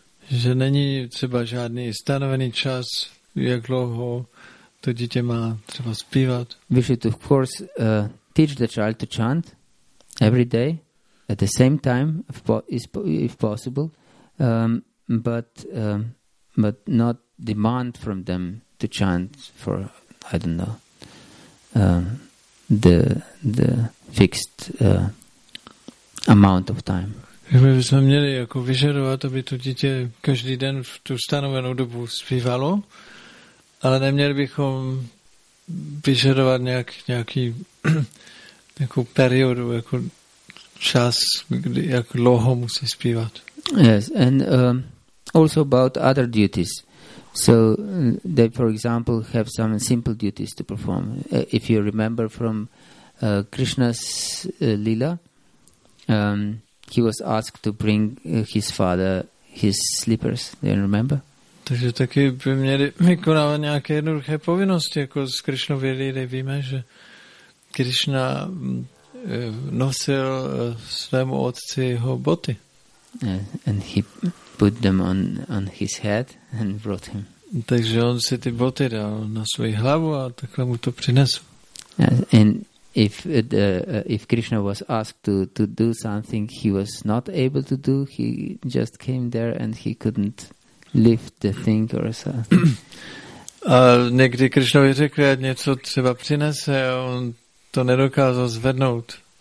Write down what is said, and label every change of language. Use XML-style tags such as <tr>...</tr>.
<cs>Že není třeba žádný stanovený čas, jak dlouho to dítě má třeba zpívat.</cs> <en>We should of course teach the child to chant every day at the same time if possible, but not demand from them to chant for I don't know the fixed amount of time.</en> <cs>My bychom měli jako vyžadovat, aby to dítě každý den v tu stanovenou dobu zpívalo, ale neměli bychom vyžadovat nějakou periodu, jako čas, kdy, jak dlouho musí zpívat.</cs> <en>Yes, and also about other duties. So they, for example, have some simple duties to perform. If you remember from Krishna's Lila, he was asked to bring his father his slippers. Do you remember?</en> <cs>Takže taky by měli vykonávat nějaké jednoduché povinnosti, jako z Krišnovy Lily víme, že Krišna nosil svému otci jeho boty.</cs> <en>And he put them on his head and brought him.</en> <cs>Takže on si ty boty dal na svoji hlavu a takhle mu to přinesl.</cs> <en>And if Krishna was asked to do something he was not able to do, he just came there and he couldn't lift the thing or so.</en> <cs>A někdy Krišnovi řekl, ať něco třeba přinese, a on to nedokázal zvednout.</cs>